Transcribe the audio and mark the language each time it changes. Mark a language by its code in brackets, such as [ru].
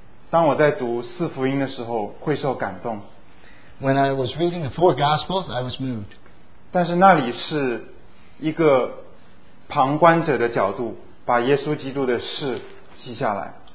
[zh] 当我在读四福音的时候，会受感动。 [en] When I was reading the four Gospels, I was moved. [zh] 但是那里是一个旁观者的角度，把耶稣基督的事记下来。